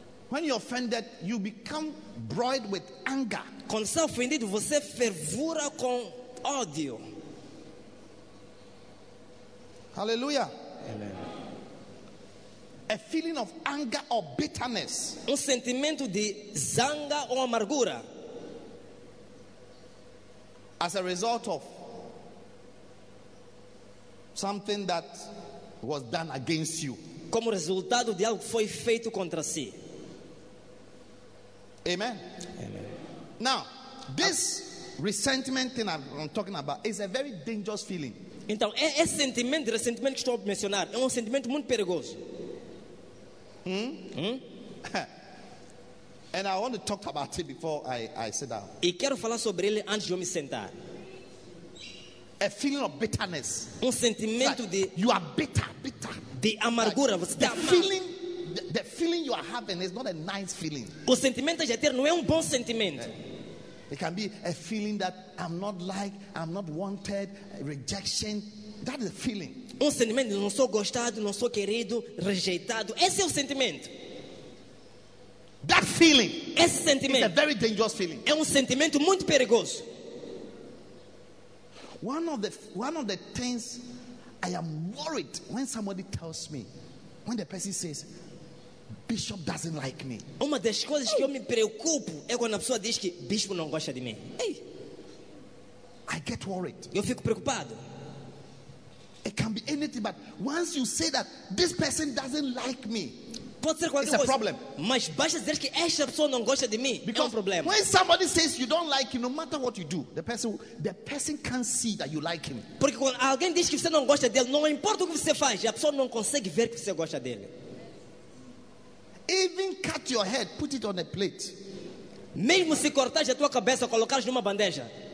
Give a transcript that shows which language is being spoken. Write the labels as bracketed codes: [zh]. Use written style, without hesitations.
[en] When you're offended, you become broiled with anger. [pt] Quando você é ofendido, você fervura com ódio. [en] Hallelujah. Amen. A feeling of anger or bitterness. [pt] Um sentimento de zanga ou amargura. [en] As a result of something that was done against you. [pt] Como resultado de algo que foi feito contra si. [en] Amen. [pt] Amen. [en] Now, this resentment thing I'm talking about is a very dangerous feeling. [pt] Então, esse sentimento de ressentimento que estou a mencionar é um sentimento muito perigoso. [en] And I want to talk about it before I sit down. [pt] E quero falar sobre ele antes de eu me sentar. [en] A feeling of bitterness. [pt] Um sentimento [en] like [pt] de [en] you are bitter. [pt] De amargura, [en] like, the feeling the feeling you are having is not a nice feeling. [pt] O sentimento de ter não é bom sentimento. [en] It can be a feeling that I'm not liked, I'm not wanted, rejection. That is a feeling. [pt] Um sentimento de não sou gostado, não sou querido, rejeitado. Esse é o sentimento. [en] That feeling. [pt] Esse sentimento. [en] Is a very dangerous feeling. [pt] É sentimento muito perigoso. [en] One of the things I am worried when somebody tells me, when the person says, Bishop doesn't like me. [pt] Uma das coisas que eu me preocupo é quando a pessoa diz que Bispo não gosta de mim. [en] Hey. I get worried. [pt] Eu fico preocupado. [en] It can be anything, but once you say that this person doesn't like me, [pt] pode ser [en] it's a [pt] coisa. [en] Problem. [pt] Mas basta dizer que esta pessoa não gosta de mim. [en] Because [pt] é problema. [en] When somebody says you don't like him, no matter what you do, the person can't see that you like him. [pt] Porque quando alguém diz que você não gosta dele, não importa o que você faz, a pessoa não consegue ver que você gosta dele. [en] Even cut your head, put it on a plate. [pt] Mesmo se cortar a tua cabeça, colocar numa bandeja.